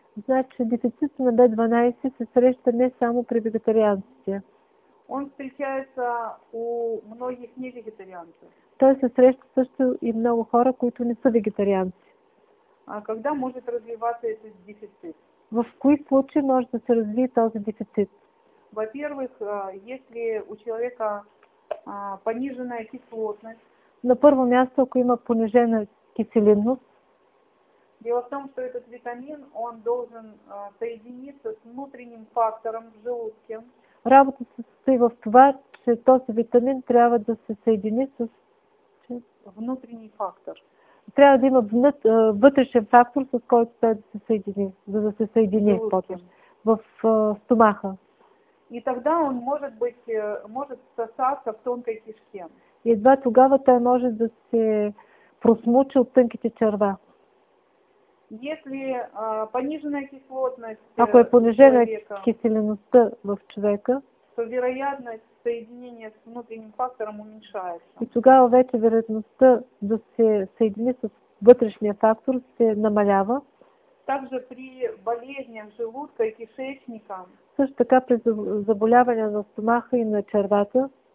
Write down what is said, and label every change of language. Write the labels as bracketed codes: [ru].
[bg] Значит, дефицит на B12 се среща не само при вегетарианците. [ru] Он встречается у многих невегетарианцев. [bg] Той се среща също и много хора, които не са вегетарианци. [ru] А когда может развиваться этот дефицит? [bg] В кои случаи може да се развие този дефицит? [ru] Во-первых, если у человека пониженная кислотность, [bg] на първо място, ако има понижена киселинност. [ru] Дело в том, что этот витамин, он должен соединиться с внутренним фактором в желудке. [bg] Работа се състои в това, че този витамин трябва да се съедини с [ru] внутренний фактор. [bg] Трябва да има вътрешен фактор, с който трябва да се съедини, за да се съедини в стомаха. [ru] И тогда он может сосаться в тонкой кишке. [bg] И едва тогава той може да се просмучи от тънките черва. [ru] Если понижена кислотность, [bg] ако е понижена киселеността в човека, [ru] то вероятность соединения с внутренним фактором уменьшается. [bg] И тогава вече вероятността да се съедини с вътрешния фактор се намалява. [ru] Также при болезнях желудка и кишечника. [bg] Също така при заболявания на стомаха и на червата.